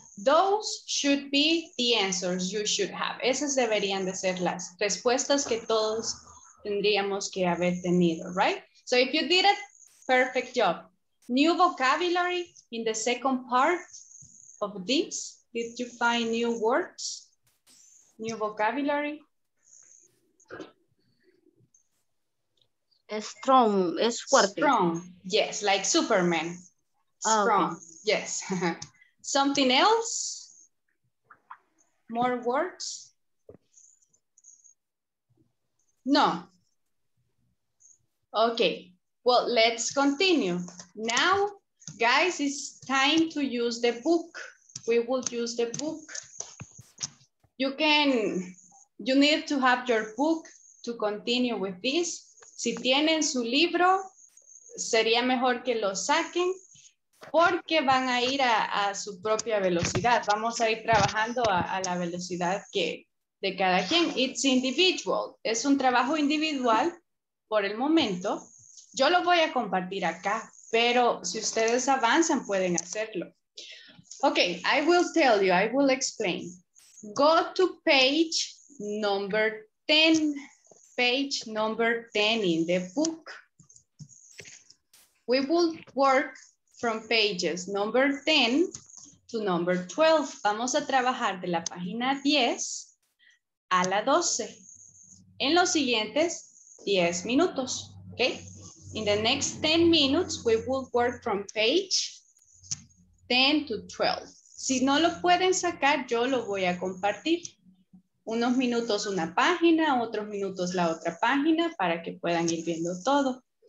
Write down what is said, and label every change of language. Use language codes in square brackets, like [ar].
[en] Those should be the answers you should have. [es] Esas deberían de ser las respuestas que todos tendríamos que haber tenido, right? [en] So if you did it, perfect job. New vocabulary in the second part of this. Did you find new words? New vocabulary? [es] Strong, es fuerte. [en] Strong, yes, like Superman. Strong, okay. Yes. Something else? More words? No. Okay, well, let's continue. Now, guys, it's time to use the book. We will use the book. You can, you need to have your book to continue with this. [es] Si tienen su libro, sería mejor que lo saquen porque van a ir a su propia velocidad. Vamos a ir trabajando a la velocidad que de cada quien. [en] It's individual. [es] Es un trabajo individual por el momento. Yo lo voy a compartir acá, pero si ustedes avanzan, pueden hacerlo. [en] Okay, I will tell you, I will explain. Go to page number 10. Page number 10 in the book. We will work from pages number 10 to number 12. [es] Vamos a trabajar de la página 10 a la 12 en los siguientes 10 minutos. [en] Okay? In the next 10 minutes, we will work from page 10 to 12. [es] Si no lo pueden sacar, yo lo voy a compartir. Unos minutos una página, otros minutos la otra página para que puedan ir viendo todo.